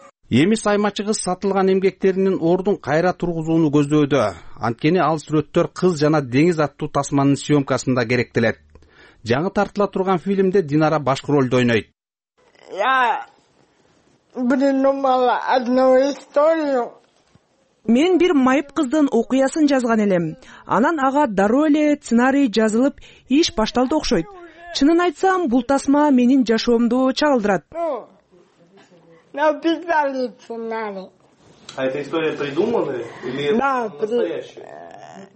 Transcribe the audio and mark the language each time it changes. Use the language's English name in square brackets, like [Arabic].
[Kyrgyz] Эми саймачы кыз сатылган эмгектеринин ордун кайра тургузууну көздөөдө. Анткени ал сүрөттөр Кыз жана деңиз аттуу тасманын съемкасында керектелет. Жаңы тартыла турган фильмде Динара башкы ролду ойнойт. [Russian] Я придумала одну историю. [Kyrgyz] Мен бир майып кыздын окуясын жазган элем. Анан ага дароо эле сценарий жазылып, иш башталды окшойт. Чынын айтсам, бул тасма менин жашоомду чагылдырат. [Russian] Написали сценарий. А эта история придуманная или настоящая?